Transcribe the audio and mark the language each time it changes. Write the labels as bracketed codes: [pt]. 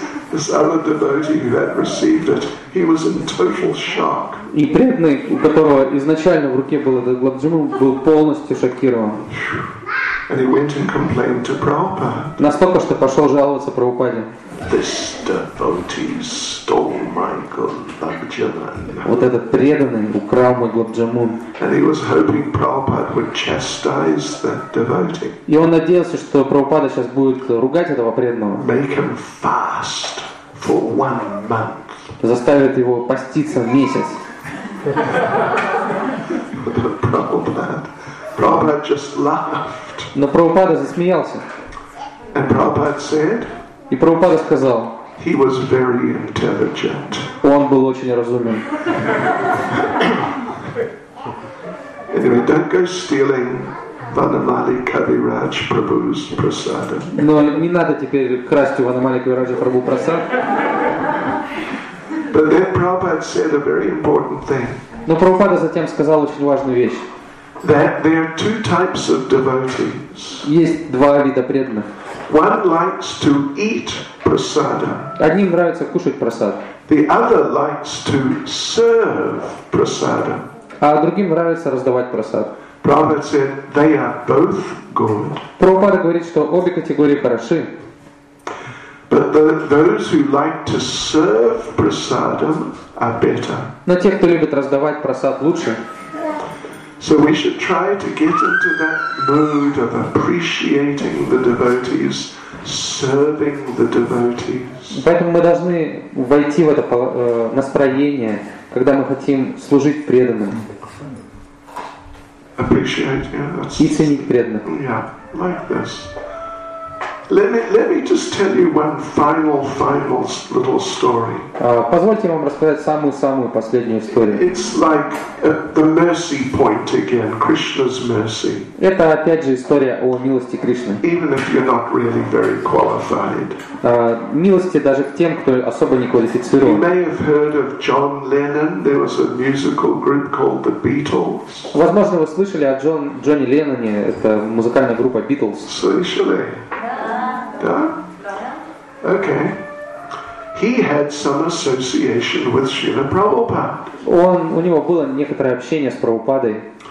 [en] This other devotee who had received it, he was in total shock. [ru] И преданный, у которого изначально в руке был этот гулаб джамун, был полностью шокирован. [en] And he went and complained to Prabhupada. [ru] Настолько, что пошел жаловаться Прабхупаде. [en] This devotee stole my gulab jamun. [ru] Вот этот преданный украл мой гулаб джамун. [en] And he was hoping Prabhupada would chastise that devotee. [ru] И он надеялся, что Прабхупада сейчас будет ругать этого преданного. [en] Make him fast for one month. [ru] Заставит его поститься месяц. [en] Prabhupada just laughed. [ru] Но Прабхупада засмеялся. [en] And Prabhupada said. [ru] И Прабхупада сказал. [en] He was very intelligent. [ru] Он был очень разумен. [en] Anyway, don't go stealing Vanamali Kaviraj Prabhu's prasad. [ru] Но не надо теперь красть у Ванамали Кавираджа Прабху прасад. [en] But then Prabhupada said a very important thing. [ru] Но Прабхупада затем сказал очень важную вещь. [en] That there are two types of devotees. [ru] Есть два вида преданных. [en] One likes to eat prasada. [ru] Одним нравится кушать прасад. [en] The other likes to serve prasada. [ru] А другим нравится раздавать прасад. [en] Prabhupada said they are both good. [ru] Прабхупада говорит, что обе категории хороши. [en] But those who like to serve prasada are better. [ru] Но те, кто любит раздавать прасад, лучше. [en] So we should try to get into that mood of appreciating the devotees, serving the devotees. [ru] Поэтому мы должны войти в это настроение, когда мы хотим служить преданным. [en] Appreciate, yeah, that's. [ru] И ценить преданных. [en] Yeah, like this. Let me just tell you one final little story. [ru] Позвольте вам рассказать самую последнюю историю. [en] It's like the mercy point again, Krishna's mercy. [ru] Это опять же история о милости Кришны. [en] Even if you're not really very qualified. [ru] Милости даже к тем, кто особо не квалифицирован. [en] You may have heard of John Lennon. There was a musical group called the Beatles. [ru] Возможно, вы слышали о Джонни Ленноне. Это музыкальная группа Beatles. Слышали? [en] Okay. He had some association with Srila Prabhupada. [ru] У него было некоторое общение с Прабхупадой.